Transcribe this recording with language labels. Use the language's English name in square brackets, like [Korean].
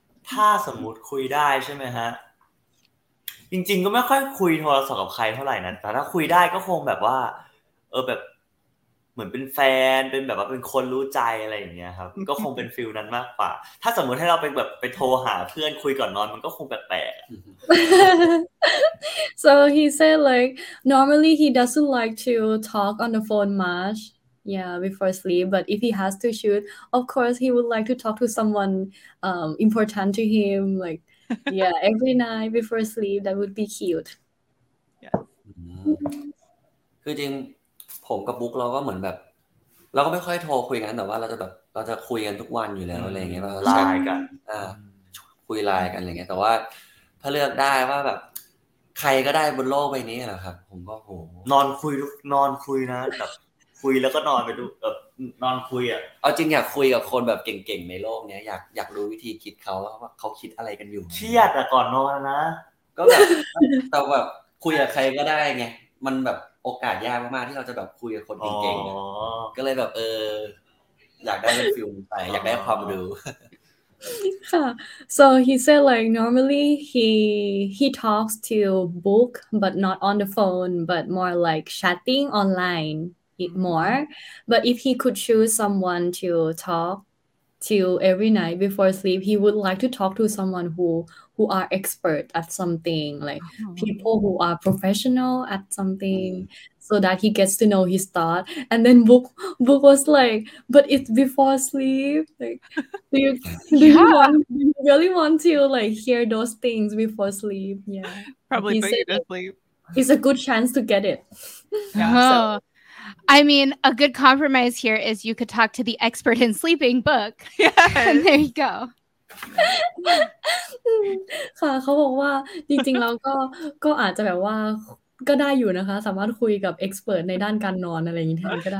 [Thai] ถ้าสมมุติคุยได้ใช่ไหมฮะจริงๆก็ไม่ค่อยคุยโทรศัพท์กับใครเท่าไหร่นะแต่ถ้าคุยได้ก็คงแบบว่าแบบเหมือนเป็นแฟนเป็นแบบว่าเป็นคนรู้ใจอะไรอย่างเงี้ยครับก็คงเป็นฟิลนั้นมากกว่าถ้าสมมุติให้เราไปแบบไปโทรหาเพื่อนคุยก่อนนอนมันก็คงแปลก [English] ๆ So he said like normally he doesn't like to talk on the phone much yeah before sleep but if he has to shoot of course he would like to talk to someone important to him like yeah every night before sleep that would be cute [Thai] คือจริงผมกับบุ๊กเราก็เหมือนแบบเราก็ไม่ค่อยโทรคุยกันแต่ว่าเราจะแบบเราจะคุยกันทุกวันอยู่แล้วอะไรเงี้ย ไลน์กัน คุยไลน์กันอะไรเงี้ยแต่ว่าถ้าเลือกได้ว่าแบบใครก็ได้บนโลกใบนี้เหรอครับผมก็โห นอนคุยทุกนอนคุยนะแบบคุยแล้วก็นอนไปดูแบบนอนคุยอ่ะ เอาจริงอยากคุยกับคนแบบเก่งๆในโลกเนี้ยอยากรู้วิธีคิดเขาว่าเขาคิดอะไรกันอยู่เครียดแต่ก่อนนอนนะ ก็แบบแต่แบบคุยกับใครก็ได้ไงมันแบบโอกาสยากมากๆที่เราจะแบบคุยกับคนเก่งๆก็เลยแบบอยากได้เป็นฟิลไปอยากได้ความรู้ค่ะ [English] so he said like normally he talks to book but not on the phone but more like chatting online it more but if he could choose someone to talk to every night before sleep he would like to talk to someone who are expert at something, like people who are professional at something, so that he gets to know his thought. And then Book was like, but it's before sleep. Like, do you really want to like hear those things before sleep? Yeah. Probably put you to sleep. It's a good chance to get it. Yeah, so. I mean, a good compromise here is you could talk to the expert in sleeping, Book. Yes. And there you go. [Thai] ค่ะเขาบอกว่าจริงๆแล้วก็อาจจะแบบว่าก็ได้อยู่นะคะสามารถคุยกับเอ็กซ์เพิร์ทในด้านการนอนอะไรอย่างนี้แทนก็ได